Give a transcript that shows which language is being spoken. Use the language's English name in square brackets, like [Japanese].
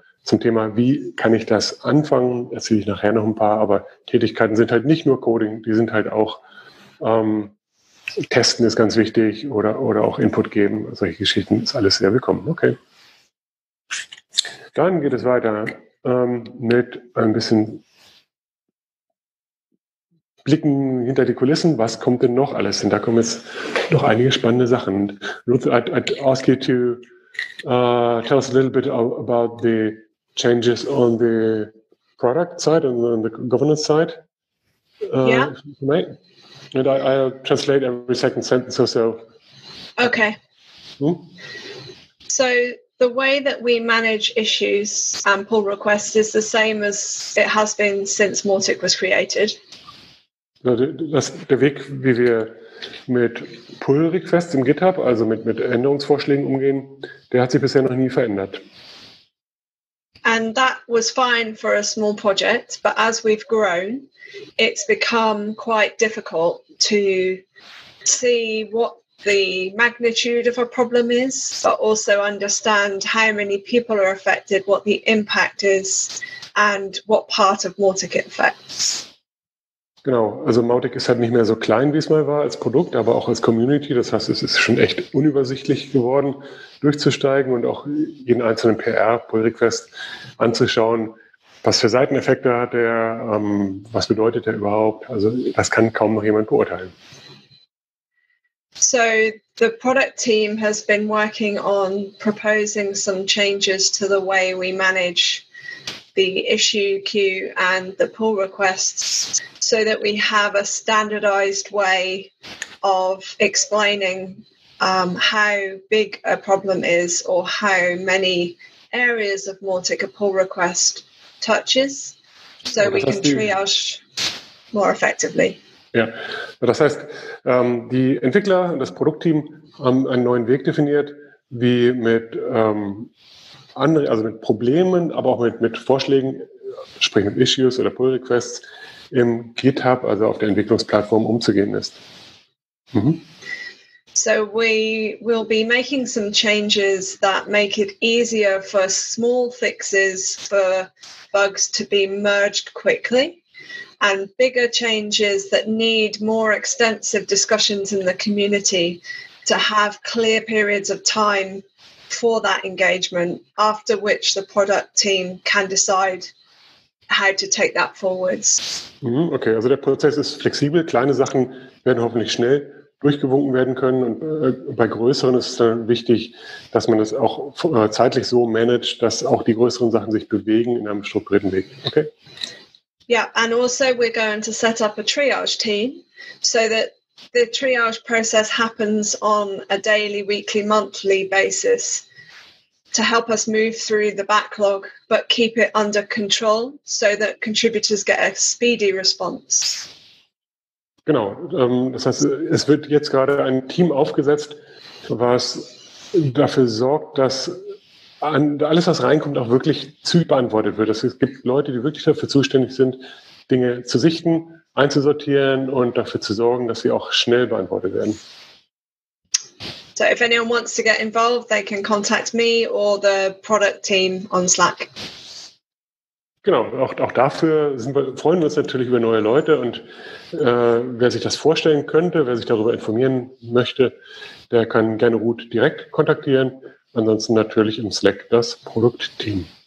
[German] Zum Thema, wie kann ich das anfangen, erzähle ich nachher noch ein paar, aber Tätigkeiten sind halt nicht nur Coding, die sind halt auch, Testen ist ganz wichtig oder auch Input geben, solche Geschichten ist alles sehr willkommen. Okay. Dann geht es weiter mit ein bisschen Blicken hinter die Kulissen, was kommt denn noch alles? Denn da kommen jetzt noch einige spannende Sachen. [English] Luther, I'd ask you to tell us a little bit about the changes on the product side and on the governance side. Yeah. And I'll translate every second sentence or so. Okay. So the way that we manage issues and pull requests is the same as it has been since Mautic was created. [German] Der Weg, wie wir mit Pull Requests im GitHub, also mit Änderungsvorschlägen umgehen, der hat sich bisher noch nie verändert. [English] And that was fine for a small project, but as we've grown, it's become quite difficult to see what the magnitude of a problem is, but also understand how many people are affected, what the impact is, and what part of Mautic it affects. [German] Genau, also Mautic ist halt nicht mehr so klein, wie es mal war als Produkt, aber auch als Community. Das heißt, es ist schon echt unübersichtlich geworden, durchzusteigen und auch jeden einzelnen PR-Pull-Request anzuschauen, was für Seiteneffekte hat er, was bedeutet er überhaupt. Also das kann kaum noch jemand beurteilen. [English] So the product team has been working on proposing some changes to the way we manage the issue queue and the pull requests so that we have a standardized way of explaining how big a problem is or how many areas of Mautic a pull request touches, so we can triage more effectively. [German] Ja, das heißt, die Entwickler und das Produktteam haben einen neuen Weg definiert, wie mit andere, also mit Problemen, aber auch mit Vorschlägen, sprich mit Issues oder Pull Requests im GitHub, also auf der Entwicklungsplattform, umzugehen ist. Mhm. [English] So we will be making some changes that make it easier for small fixes for bugs to be merged quickly, and bigger changes that need more extensive discussions in the community to have clear periods of time for that engagement, after which the product team can decide how to take that forwards. [German] Okay, also der Prozess ist flexibel. Kleine Sachen werden hoffentlich schnell durchgewunken werden können. Und bei größeren ist es dann wichtig, dass man das auch zeitlich so managt, dass auch die größeren Sachen sich bewegen in einem strukturierten Weg. Okay. [English] Yeah, and also we're going to set up a triage team so that the triage process happens on a daily, weekly, monthly basis to help us move through the backlog, but keep it under control so that contributors get a speedy response. [German] Genau, das heißt, es wird jetzt gerade ein Team aufgesetzt, was dafür sorgt, dass alles, was reinkommt, auch wirklich zügig beantwortet wird. Es gibt Leute, die wirklich dafür zuständig sind, Dinge zu sichten, einzusortieren und dafür zu sorgen, dass sie auch schnell beantwortet werden. [English] So if anyone wants to get involved, they can contact me or the product team on Slack. [German] Genau, auch dafür freuen wir uns natürlich über neue Leute und wer sich das vorstellen könnte, wer sich darüber informieren möchte, der kann gerne Ruth direkt kontaktieren, ansonsten natürlich im Slack das Produktteam.